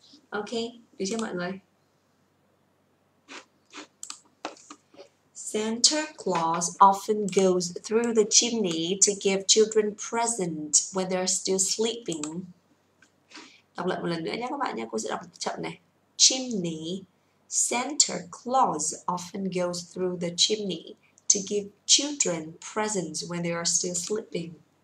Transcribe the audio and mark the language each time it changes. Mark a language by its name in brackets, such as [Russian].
[Vietnamese] Ok, được chưa mọi người? [English] Santa Claus often goes through the chimney to give children presents when they're still sleeping. [Vietnamese] Đọc lại một lần nữa nhé các bạn nhé, cô sẽ đọc chậm này. [English] Chimney, Santa Claus often goes through the chimney to give children presents when they are still sleeping.